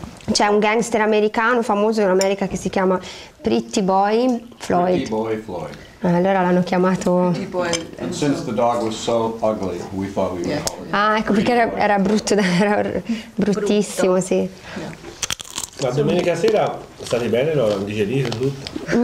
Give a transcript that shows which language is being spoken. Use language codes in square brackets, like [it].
[it] C'è un gangster americano famoso in America che si chiama Pretty Boy Floyd. Pretty Boy Floyd. Allora l'hanno chiamato. [en] And since the dog was so ugly, we thought we would call him. [it] Ah, ecco perché era brutto, era bruttissimo, sì. [en] Yeah. [it] La domenica sera state bene, lo digerite tutto?